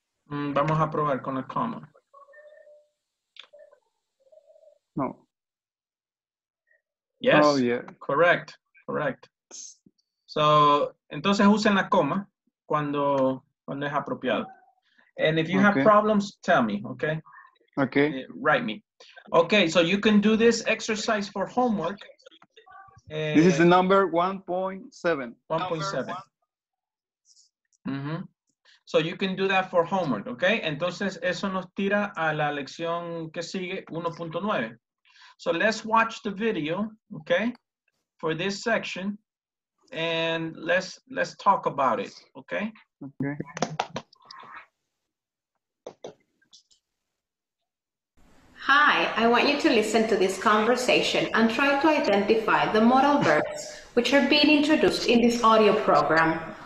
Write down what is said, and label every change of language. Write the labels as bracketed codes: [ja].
[es] Vamos a probar con la comma. No. [en] Yes. Oh, yeah. Correct. Correct. [es] So, entonces usen la comma cuando es apropiado. [en] And if you have problems, tell me, okay? Okay. Write me. Okay, so you can do this exercise for homework. This is the number 1.7. 1.7. Mm-hmm. So you can do that for homework, okay? [es] Entonces, eso nos tira a la lección que sigue, 1.9. [en] So let's watch the video, okay? For this section. and let's talk about it, okay? Okay. Hi, I want you to listen to this conversation and try to identify the modal verbs which are being introduced in this audio program.